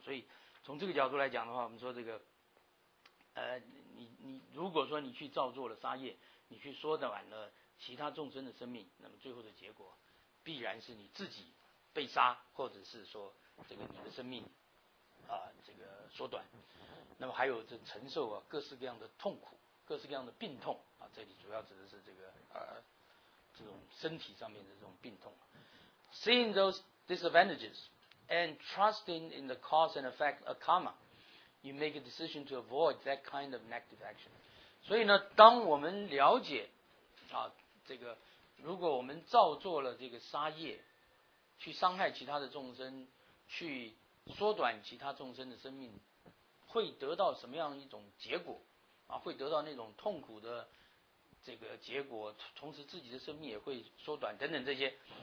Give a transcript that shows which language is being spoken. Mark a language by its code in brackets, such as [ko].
[zh] 所以从这个角度来讲的话，我们说这个，你如果说你去造作了杀业，你去缩短了其他众生的生命，那么最后的结果必然是你自己被杀，或者是说这个你的生命啊这个缩短，那么还有这承受啊各式各样的痛苦，各式各样的病痛啊，这里主要指的是这个这种身体上面的这种病痛。 [en] Seeing those disadvantages and trusting in the cause and effect of karma, you make a decision to avoid that kind of negative action. [zh] 所以呢，当我们了解啊这个如果我们造作了这个杀业，去伤害其他的众生，去缩短其他众生的生命，会得到什么样一种结果啊，会得到那种痛苦的这个结果，同时自己的生命也会缩短等等这些。